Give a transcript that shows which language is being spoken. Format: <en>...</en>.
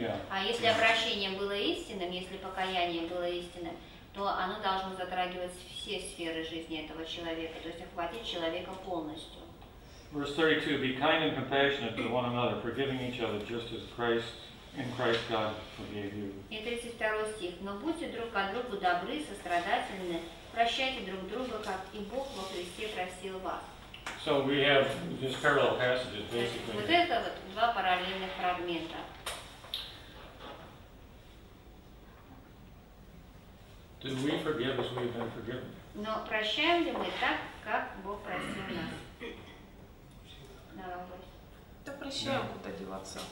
<ru>А если обращение было истинным, если покаяние было истинным, то оно должно затрагивать все сферы жизни этого человека, то есть охватить человека полностью.</ru> <en>Verse 32, be kind and compassionate to one another, forgiving each other just as Christ, in Christ God forgave you.</en> <ru>И 32 стих, но будьте друг к другу добры, сострадательны, прощайте друг друга, как и Бог во Христе простил вас.</ru> <en>So we have these parallel passages, basically.</en> <ru>Вот это вот два параллельных фрагмента.</ru> <en>Do we forgive as we've been forgiven?</en> <ru>Но прощаем ли мы так, как Бог простил нас? Да прощаю, куда деваться.</ru>